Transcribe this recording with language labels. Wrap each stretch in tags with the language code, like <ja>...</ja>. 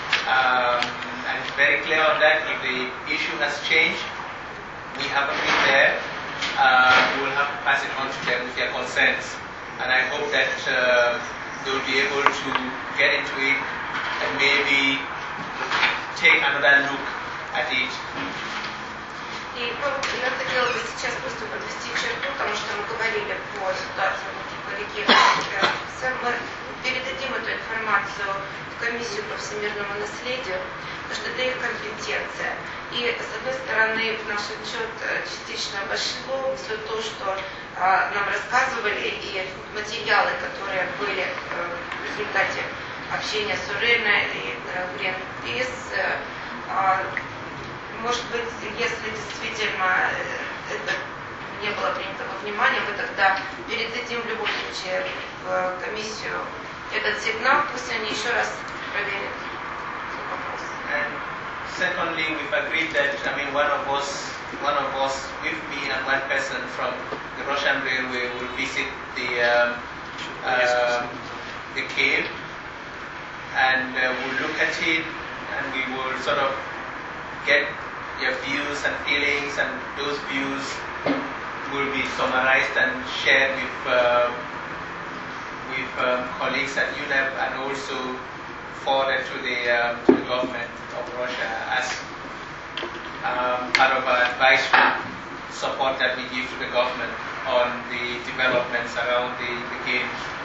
<en>And it's very clear on that. If the issue has changed, we haven't been there, we will have to pass it on to them with their consents. And I hope that they'll be able to get into it and maybe take another look at it.</en> <ru>И я хотела бы сейчас просто подвести черту, потому что мы говорили по ситуации по регионам. Мы передадим эту информацию в комиссию по всемирному наследию, потому что это их компетенция. И с одной стороны, в наш отчет частично вошло все то, что нам рассказывали, и материалы, которые были в результате общения с Уреной и Гринпис. Может быть, если действительно это не было принято во внимание, мы тогда передадим в любом случае в комиссию этот сигнал, пусть они еще раз проверят вопрос.</ru> <en>And secondly, we've agreed that, I mean, one of us, with me and one person from the Russian Railway will visit the cave, and we'll look at it, and we will sort of get your views and feelings, and those views will be summarized and shared with colleagues at UNEP and also forwarded to the government of Russia as part of our advisory support that we give to the government on the developments around the games.</en>